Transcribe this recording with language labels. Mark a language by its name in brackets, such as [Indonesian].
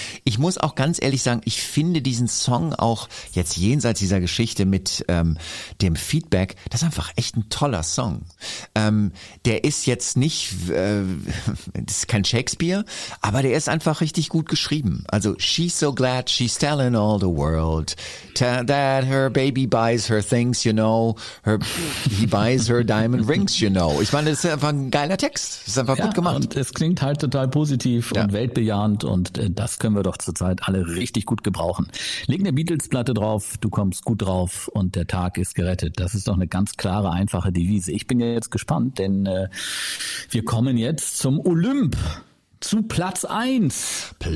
[German] Ich muss auch ganz ehrlich sagen, ich finde diesen Song auch jetzt jenseits dieser Geschichte mit dem Feedback, das ist einfach echt ein toller Song. Der ist jetzt nicht, das ist kein Shakespeare, aber der ist einfach richtig gut geschrieben. [English] Also, she's so glad she's telling all the world that her baby buys her things, you know. He buys her diamond rings, you know. [German] Ich meine, das ist einfach ein geiler Text. Das ist einfach gut gemacht. Und es klingt halt total positiv und weltbejahend und das können wir doch zurzeit alle richtig gut gebrauchen. Legen der Beatles-Platte drauf, du kommst gut drauf und der Tag ist gerettet. Das ist doch eine ganz klare, einfache Devise. Ich bin ja jetzt gespannt, denn wir kommen jetzt zum Olymp, zu Platz 1.